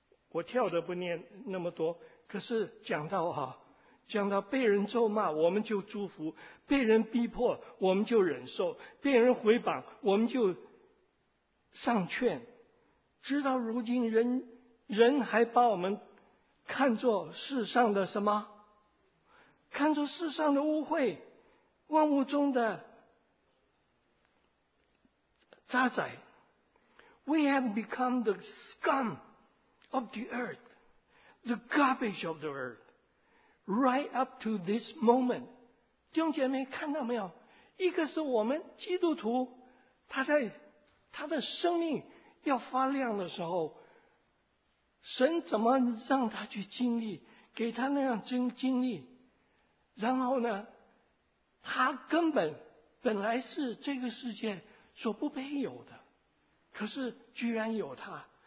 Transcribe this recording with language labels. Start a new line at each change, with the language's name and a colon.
Chinese: 我跳的不念那么多，可是讲到被人咒骂我们就祝福，被人逼迫我们就忍受，被人毁谤我们就上劝，直到如今人还把我们看作世上的什么，看作世上的污秽，万物中的渣滓。
English: We have become the scumOf the earth, the garbage of the earth, right up to this moment.
Chinese: 弟兄姐妹，看到没有？一个是我们基督徒，他在他的生命要发亮的时候，神怎么让他去经历，给他那样经历？然后呢，他根本来是这个世界所不配有的，可是居然有他。